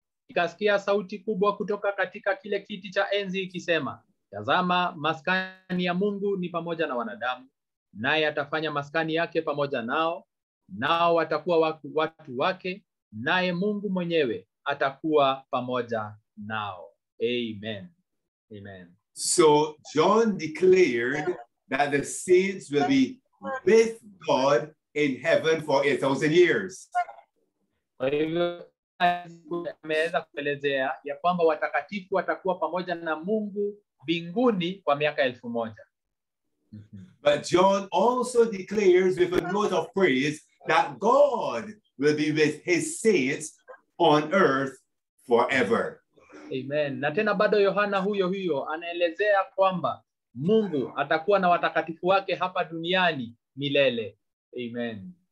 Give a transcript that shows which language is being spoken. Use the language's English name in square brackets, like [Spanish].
[Swahili] Ikasikia sauti kubwa kutoka katika kile kiti cha enzi ikisema, tazama maskani ya Mungu ni pamoja na wanadamu, naye atafanya maskani yake pamoja nao, nao watakuwa watu wake, naye Mungu mwenyewe atakuwa pamoja nao. Amen. Amen. [English] So John declared that the saints will be with God in heaven for 1,000 years. [Swahili] Kwa hivyo ameweza kuelezea ya kwamba watakatifu watakuwa pamoja na Mungu binguni kwa miaka 1,000. [English] But John also declares with a note of praise that God will be with his saints on earth forever. [Swahili] Amen. Na tena bado Yohana huyo huyo anaelezea kwamba Mungu atakuwa na watakatifu wake hapa duniani milele. Amen.